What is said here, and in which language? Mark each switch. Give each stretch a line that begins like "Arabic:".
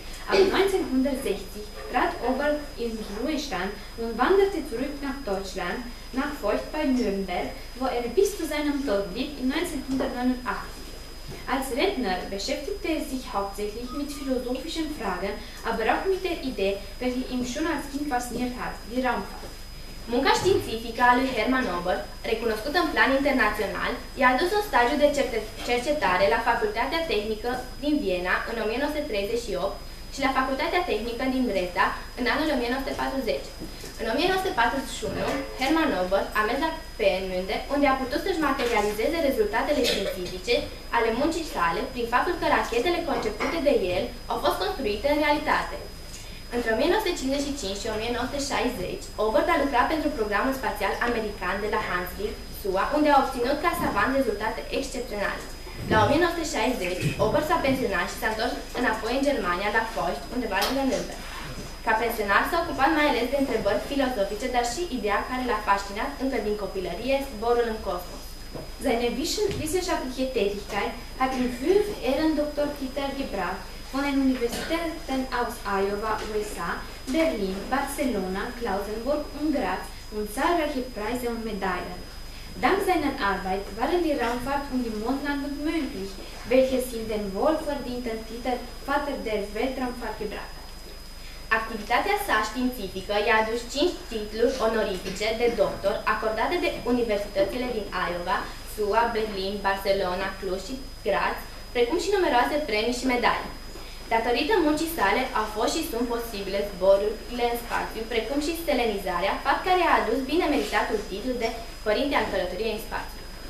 German: Ab 1960 trat Oberth in Ruhestand und wanderte zurück nach Deutschland, nach Feucht bei Nürnberg, wo er bis zu seinem Tod blieb in 1989. Als Redner beschäftigte er sich hauptsächlich mit philosophischen Fragen, aber auch mit der Idee, welche ihn schon als Kind fasziniert hat, die Raumfahrt.
Romanian: Munca științifică a lui Hermann Oberth, recunoscută în plan internațional, i-a dus un stagiu de cercetare la Facultatea Tehnică din Viena în 1938 și la Facultatea Tehnică din Dresda în anul 1940. În 1941, Hermann Oberth a mers la Peenemünde, unde a putut să-și materializeze rezultatele științifice ale muncii sale prin faptul că rachetele concepute de el au fost construite în realitate. Între 1955 și 1960, Oberth a lucrat pentru programul spațial american de la Huntsville, SUA, unde a obținut ca savant rezultate excepționale. La 1960, Oberth s-a pensionat și s-a întors înapoi în Germania, la Foști, undeva lângă Nürnberg. Ca pensionar s-a ocupat mai ales de întrebări filozofice, dar și ideea care l-a fascinat încă din copilărie, zborul în cosmos.
German: Seine wissenschaftliche Tätigkeit hat ihm 5 Ehrendoktortitel gebracht von den Universitäten aus Iowa, USA, Berlin, Barcelona, Klausenburg und Graz und zahlreiche Preise und Medaillen. Dank seiner Arbeit waren die Raumfahrt und die Mondlandung möglich, welches ihm den wohlverdienten Titel Vater der Weltraumfahrt gebracht hat.
Romanian: Activitatea sa științifică i-a adus 5 titluri onorifice de doctor acordate de universitățile din Iowa, SUA, Berlin, Barcelona, Cluj și Graz, precum și numeroase premii și medalii. Datorită muncii sale au fost și sunt posibile zborurile în spațiu, precum și stelenizarea, fapt care a adus bine meritatul titlu de Părinte al Călătoriei în spațiu.